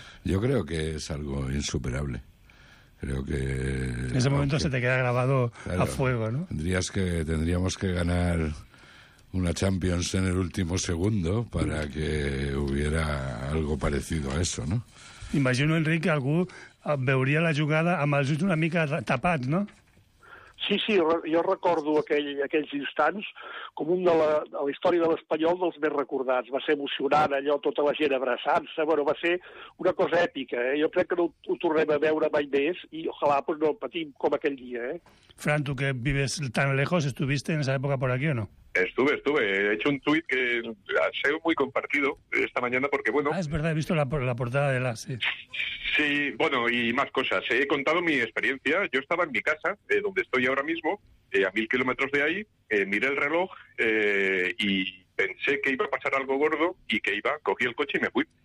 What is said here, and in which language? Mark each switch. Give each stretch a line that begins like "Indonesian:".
Spanish: Yo creo que es algo insuperable. Creo que... En ese momento aunque, se te queda grabado, claro, a fuego, ¿no? Tendríamos que ganar una Champions en el último segundo para que hubiera algo parecido a eso, ¿no?
Catalan: Imagino, Enrique, que algú veuria la jugada amb els ulls una mica tapats, no? Sí, sí, jo recordo aquells instants com un de la història de l'Espanyol dels més recordats. Va ser emocionant allò, tota la gent abraçant-se. Bueno, va ser una cosa èpica, eh? Jo crec que no ho tornem a veure mai més i ojalà pues, no patim com aquell dia, eh?
Spanish: Fran, tu que vives tan lejos, ¿estuviste en esa época por aquí o no? Estuve. He hecho un tuit que ha sido muy compartido esta mañana porque, bueno... Ah, es verdad, he visto la portada de la... Sí. Sí, bueno, y más cosas. He contado mi experiencia. Yo estaba en mi casa, donde estoy ahora mismo, a 1000 kilómetros de ahí, miré el reloj y pensé que iba a pasar algo gordo y que iba, cogí el coche y me fui.